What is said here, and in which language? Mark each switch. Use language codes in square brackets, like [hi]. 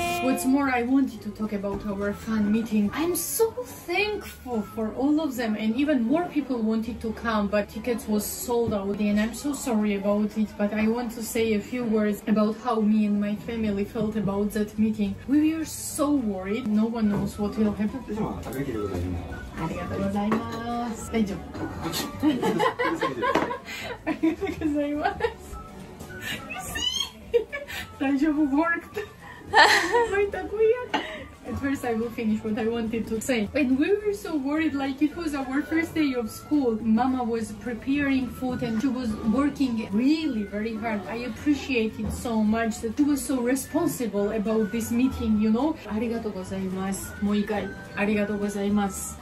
[en] What's more, I wanted to talk about our fan meeting. I'm so thankful for all of them, and even more people wanted to come, but tickets was sold out, and I'm so sorry about it, but I want to say a few words about how me and my family felt about that meeting. We were so worried. No one knows what will happen. [ja] ありがとうございます。ありがとうございます。大丈夫。ありがとうございます。大丈夫 [en] worked. At first I will finish what I wanted to say. And we were so worried, like it was our first day of school. Mama was preparing food and she was working really very hard. I appreciate it so much that she was so responsible about this meeting, you know. [ja] ありがとうございます。もう一回。ありがとうございます。